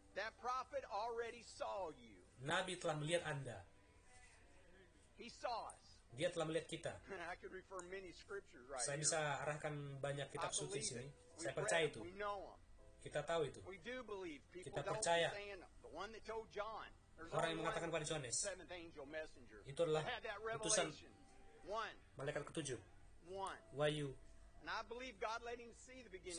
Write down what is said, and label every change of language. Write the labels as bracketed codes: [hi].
[en] That prophet already saw you. [id] Nabi telah melihat Anda. [en] He saw us. [id] Dia telah melihat kita. [en] I could refer many scriptures right here. [id] Saya bisa arahkan banyak kitab suci sini. Saya percaya itu. [en] We know them. [id] Kita tahu itu. [en] We do believe. People [id] kita percaya. [en] The one that told John. [id] Orang yang mengatakan kepada Yohanes. Itu adalah utusan malaikat ketujuh. Wahyu. [en] And I believe God let him see the beginning.